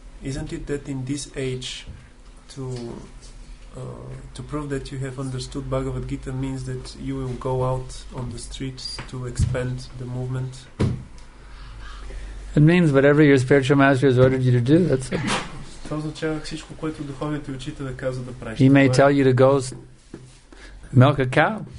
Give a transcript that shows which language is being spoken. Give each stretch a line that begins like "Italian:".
English: Isn't it that in this age to prove that you have understood Bhagavad Gita means that you will go out on the streets to expand the movement? It means whatever your spiritual master has ordered you to do, that's it.
Bulgarian: Това означава всичко, което духовният учител каза да правиш.
English: He may tell you to go milk a cow.